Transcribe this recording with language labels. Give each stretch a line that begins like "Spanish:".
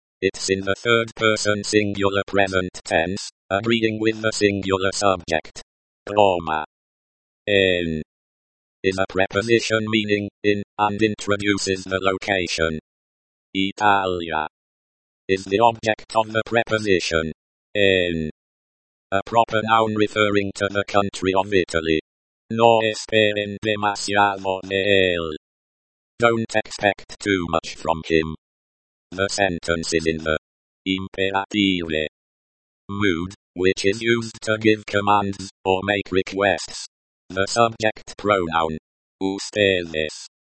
English: It's in the third person singular present tense, agreeing with the singular subject. Roma. En. Is a preposition meaning, in, and introduces the location. Italia. Is the object of the preposition. En. A proper noun referring to the country of Italy.
Spanish: No esperen demasiado de él.
English: Don't expect too much from him. The sentence is in the imperative mood, which is used to give commands or make requests. The subject pronoun, ustedes.